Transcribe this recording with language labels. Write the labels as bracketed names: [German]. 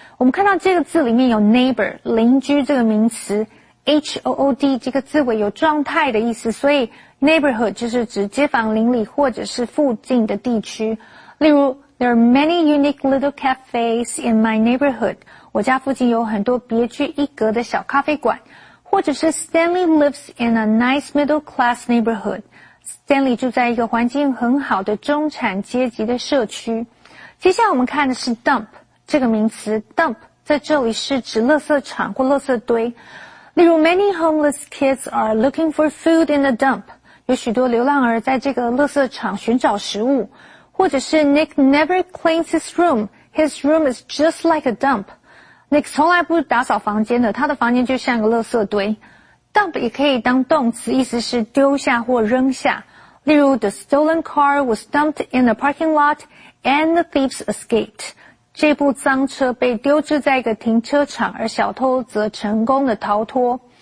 [Chinese] 我们看到这个字里面有 neighbor, 邻居这个名词。 H-O-O-D 这个字尾有状态的意思，所以 neighborhood 就是指街坊邻里或者是附近的地区。例如 [English] There are many unique little cafes in my neighborhood. [Chinese] 我家附近有很多别具一格的小咖啡馆。或者是 [English] Stanley lives in a nice middle class neighborhood. [Chinese] Stanley 住在一个环境很好的中产阶级的社区。接下来我们看的是 dump 这个名词。dump 在这里是指垃圾场或垃圾堆。例如 [English] many homeless kids are looking for food in the dump. [Chinese] 有许多流浪儿在这个垃圾场寻找食物。或者是 [English] Nick never cleans his room. His room is just like a dump. [Chinese] Nick 从来不打扫房间的，他的房间就像个垃圾堆。 Dump 也可以当动词，意思是丢下或扔下。例如 [English] the stolen car was dumped in the parking lot and the thieves escaped. [Chinese] 这部脏车被丢置在一个停车场，而小偷则成功的逃脱。